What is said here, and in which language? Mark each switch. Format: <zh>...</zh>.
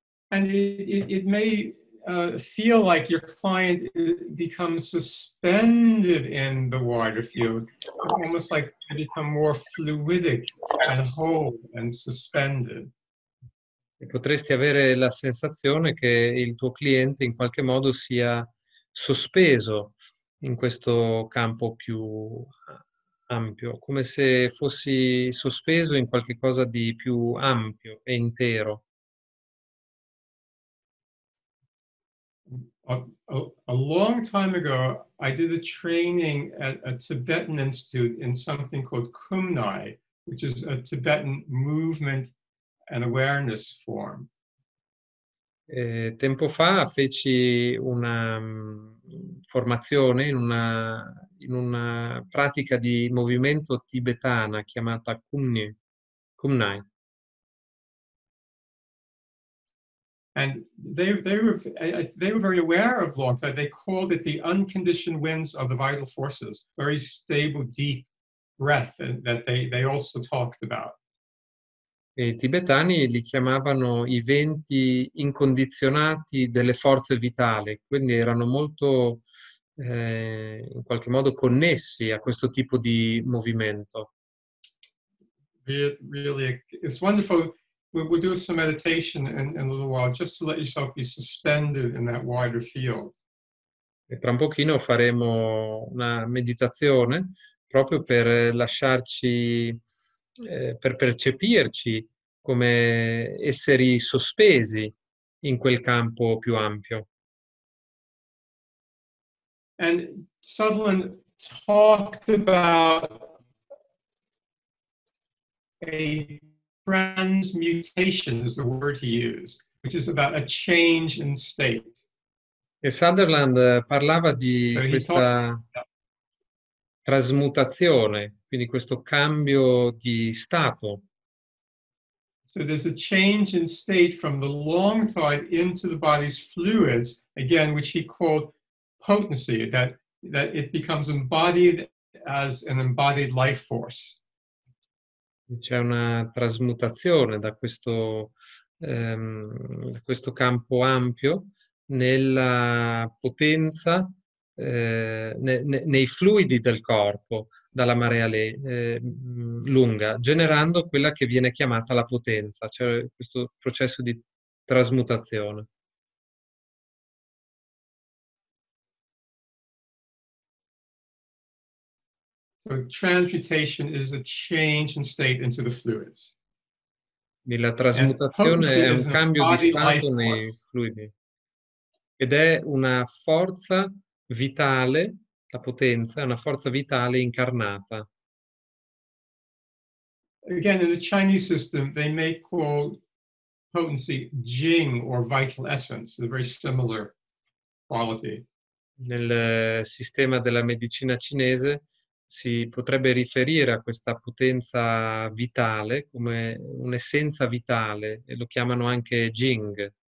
<en>And it may feel like your client becomes suspended in the wider field, almost like they become more fluidic and whole and suspended.</en> <it>Potresti avere la sensazione che il tuo cliente in qualche modo sia sospeso in questo campo più ampio, come se fossi sospeso in qualche cosa di più ampio e intero.</it> <en>A long time ago, I did a training at a Tibetan institute in something called Kumnai, which is a Tibetan movement and awareness form.</en> <it>Tempo fa feci una formazione in una pratica di movimento tibetana chiamata Kumnai.</it> <en>And they were very aware of long time. They called it the unconditioned winds of the vital forces, very stable, deep breath that they also talked about.</en> <it>E I tibetani li chiamavano i venti incondizionati delle forze vitali, quindi erano molto in qualche modo connessi a questo tipo di movimento.</it> <en>Really, it's wonderful. We'll do some meditation in a little while, just to let yourself be suspended in that wider field.</en> <it>E tra un pochino faremo una meditazione proprio per lasciarci, per percepirci come esseri sospesi in quel campo più ampio.</it> <en>And Sutherland talked about a transmutation is the word he used, which is about a change in state.</en> <it>E Sutherland parlava di questa trasmutazione, quindi questo cambio di stato.</it> <en>So there's a change in state from the long tide into the body's fluids, again, which he called potency, that it becomes embodied as an embodied life force.</en> <it>C'è una trasmutazione da questo, questo campo ampio nella potenza, nei fluidi del corpo, dalla marea lunga, generando quella che viene chiamata la potenza, cioè questo processo di trasmutazione.</it> <en>So transmutation is a change in state into the fluids.</en> <it>La trasmutazione è un cambio di stato nei fluidi. Ed è una forza vitale, la potenza, è una forza vitale incarnata.</it> <en>again, in the Chinese system, they may call potency jing or vital essence, a very similar quality.</en> <it>Nel sistema della medicina cinese si potrebbe riferire a questa potenza vitale come un'essenza vitale e lo chiamano anche jing.</it>